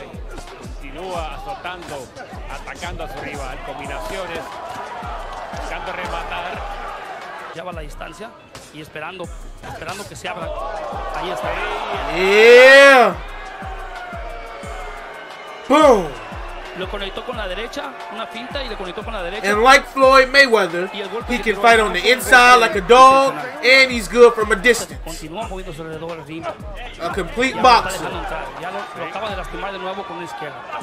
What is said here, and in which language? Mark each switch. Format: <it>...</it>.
<es>Y continúa azotando, atacando a su rival. Combinaciones. Buscando rematar. Ya va la distancia. Y esperando que se abra. Ahí está.</es> <en>Yeah. Boom.</en> <es>Lo conectó con la derecha, una finta y le conectó con la derecha.</es> <en>And like Floyd Mayweather, he can fight on the inside like a dog, and he's good from a distance.</en> <es>Continúa moviéndose alrededor del ring.</es> <en>A complete boxer.</en> <es>Ya lo acaba de lastimar de nuevo con la izquierda.</es>